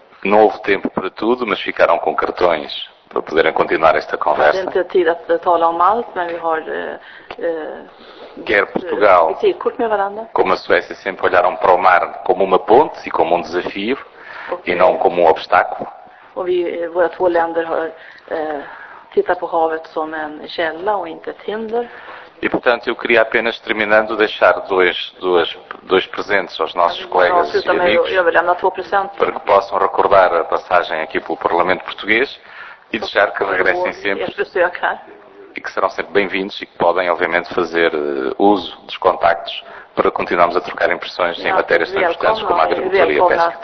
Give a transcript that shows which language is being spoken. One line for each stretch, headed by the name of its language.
Portuguese: Não houve tempo para tudo, mas ficaram com cartões para poderem continuar esta conversa. Não temos tempo para falar sobre tudo, mas temos... Quer Portugal, como a Suécia, sempre olharam para o mar como uma ponte e como um desafio, e não como um obstáculo.
Swedish: Och vi, våra två länder har tittat på havet som en källa och inte ett hinder.
Portuguese: E portanto, eu queria apenas terminando deixar dois presentes aos nossos colegas e amigos. Eu vou lhe dar dois para que possam recordar a passagem aqui pelo Parlamento Português e desejar que regressem sempre. E que serão sempre bem-vindos e que podem, obviamente, fazer uso dos contactos para continuarmos a trocar impressões em matérias tão importantes como a agricultura e a pesca.